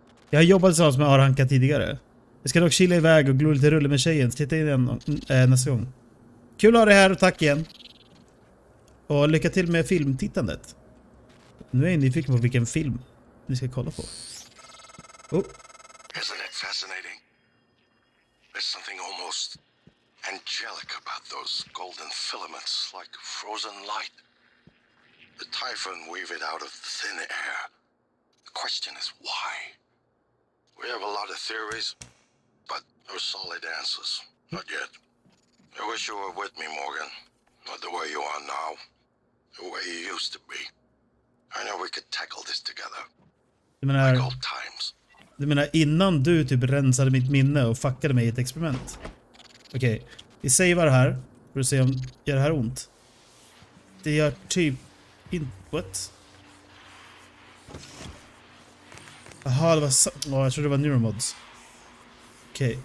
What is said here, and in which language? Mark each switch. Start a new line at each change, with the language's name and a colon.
Swedish: Jag har jobbat tillsammans med Aranka tidigare. Jag ska dock chilla iväg och glo lite rulle med tjejen. Titta in igen nästa gång. Kul att ha dig här och tack igen. Och lycka till med filmtittandet. Nu är jag nyfiken på vilken film ni ska kolla på. Oh.
English: Isn't it fascinating? There's something almost angelic about those golden filaments like frozen light. The typhon weave it out of thin air. The question is why? We have a lot of theories, but no solid answers. Not yet. I wish you were with me, Morgan. Not the way you are now. The way you used to be. I know we could tackle this together.
Swedish: Du menar,
English: like old times.
Swedish: Du menar innan du typ rensade mitt minne och fuckade mig i ett experiment? Okej, vi savear här. För att se om gör det här ont. Det gör typ input. Jaha, det var... Jag trodde det var neuromods. Okej, okay.